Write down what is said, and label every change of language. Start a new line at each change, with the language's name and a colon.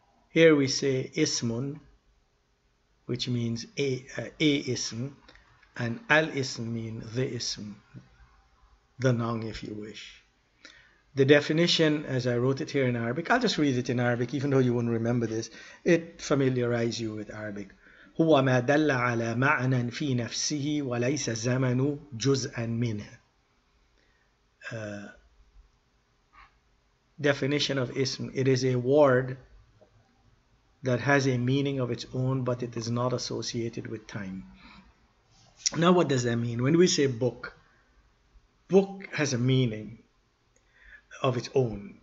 English: Here we say ismun, which means a ism, and al ism means the ism, the noun, if you wish. The definition, as I wrote it here in Arabic, I'll just read it in Arabic, even though you won't remember this. It familiarizes you with Arabic.
Arabic: هو ما دل على معنى في نفسه وليس زمن جزءا منه.
English: Definition of ism: it is a word that has a meaning of its own, but it is not associated with time. Now, what does that mean? When we say book, book has a meaning of its own.